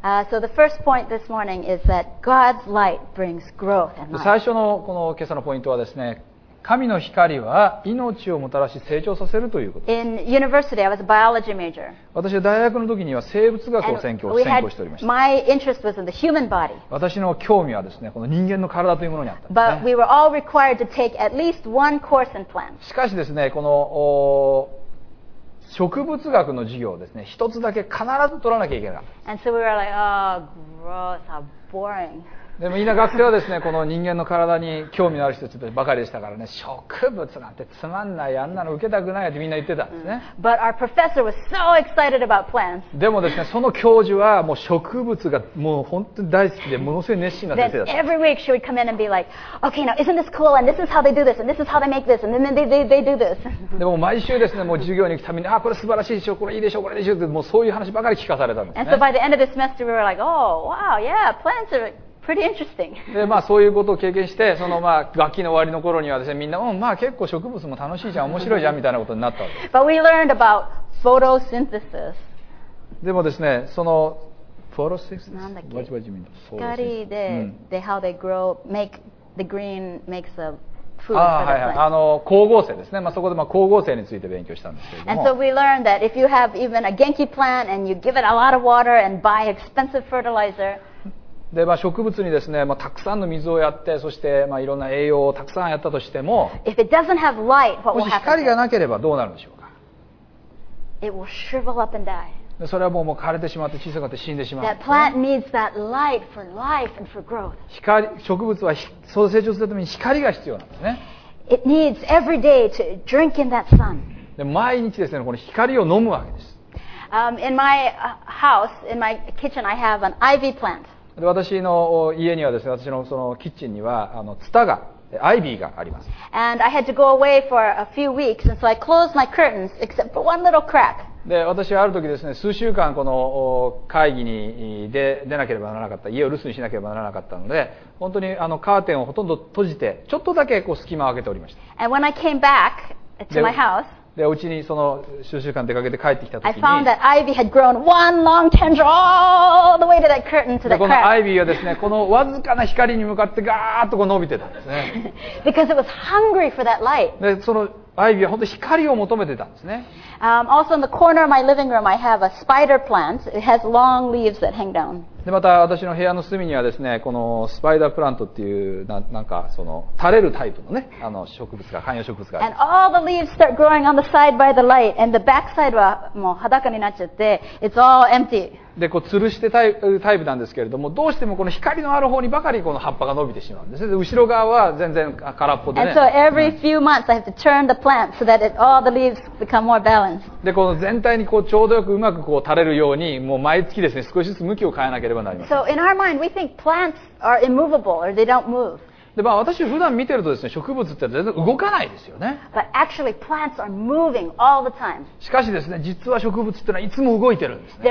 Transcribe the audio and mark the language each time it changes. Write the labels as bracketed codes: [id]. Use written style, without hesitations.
[en] So the first point this morning is that God's light brings growth and life. [ja] 最初のこの今朝のポイントはですね、神の光は命をもたらし成長させるということです。 [en] In university, I was a biology major. [ja] 私は大学の時には生物学を専攻しておりました。 [en] My interest was in the human body. [ja] 私の興味はですね、この人間の体というものにあったんですね。 [en] But we were all required to take at least one course in plants. [ja] しかしですね、この植物学の授業をですね、一つだけ必ず取らなきゃいけなかったんです。 [en] And so we were like, oh, gross, how boring. [ja] でもみんな学生はですね、この人間の体に興味のある人たちばかりでしたからね、植物なんてつまんない、あんなの受けたくないってみんな言ってたんですね。 [en] But our professor was so excited about plants. [ja] でもですね、その教授はもう植物がもう本当に大好きで、ものすごい熱心な先生だった。 [en] Then every week she would come in and be like, okay, now isn't this cool? And this is how they do this, and this is how they make this, and then they do this. [ja] でも毎週ですね、もう授業に行くために、あ、これ素晴らしいでしょ、これいいでしょ、これでしょって、もうそういう話ばかり聞かされたんですね。 [en] And so by the end of the semester, we were like, oh, wow, yeah, plants are... Pretty interesting. [ja] でまあそういうことを経験して、そのまあ学期の終わりの頃にはですね、みんなうんまあ結構植物も楽しいじゃん、面白いじゃんみたいなことになったわけです。 [en] But we learned about photosynthesis. [ja] でもですね、そのフォトシンセス、なんだっけ、バチバチ光で、で、 [en] how they grow, make the green makes a food for the plants. [ja] あの光合成ですね。まあそこでまあ光合成について勉強したんですけれども。 [en] And so we learned that if you have even a Genki plant and you give it a lot of water and buy expensive fertilizer. [ja] でまあ、植物にですね、まあ、たくさんの水をやって、そして、まあ、いろんな栄養をたくさんやったとしても、 [en] If it doesn't have light, what will happen? [ja] もし光がなければどうなるんでしょうか。 [en] It will shrivel up and die. [ja] でそれはもう枯れてしまって、小さくなって死んでしまう。 [en] That plant needs that light for life and for growth. [ja] 植物はそう成長するために光が必要なんですね。 [en] It needs every day to drink in that sun. [ja] で毎日ですね、この光を飲むわけです。 [en] In my house, in my kitchen, I have an ivy plant. [ja] で私の家にはですね、私のそのキッチンにはあのツタが、アイビーがあります。 [en] And I had to go away for a few weeks, and so I closed my curtains except for one little crack. [ja] で私はある時ですね、数週間この会議に出なければならなかった、家を留守にしなければならなかったので、本当にあのカーテンをほとんど閉じて、ちょっとだけこう隙間を開けておりました。 [en] And when I came back to my house, [ja] でお家にその数週間出かけて帰ってきた時に、 [en] I found that ivy had grown one long tendril all the way to that curtain to that crack. [ja] このアイビーはですね、このわずかな光に向かってガーッとこう伸びてたんですね。 [en] Because it was hungry for that light. [ja] でそのアイビーは本当に光を求めてたんですね。 [en] Also in the corner of my living room, I have a spider plant. It has long leaves that hang down. [ja] でまた私の部屋の隅にはですね、このスパイダープラントっていう なんかその垂れるタイプのね、あの植物が観葉植物があります。 [en] And all the leaves start growing on the side by the light, and the backside [ja] はもう裸になっちゃって、 [en] it's all empty. [ja] でこう吊るしてタイプなんですけれども、どうしてもこの光のある方にばかりこの葉っぱが伸びてしまうんです。で後ろ側は全然空っぽでね。 [en] And so every few months I have to turn the plant so that all the leaves become more balanced. [ja] でこの全体にこうちょうどよくうまくこう垂れるように、もう毎月ですね少しずつ向きを変えなければ。 [en] So in our mind, we think plants are immovable or they don't move. [ja] で、まあ、私普段見てるとですね、植物って全然動かないですよね。 [en] But actually, plants are moving all the time. [ja] しかしですね、実は植物ってのはいつも動いてるんですね。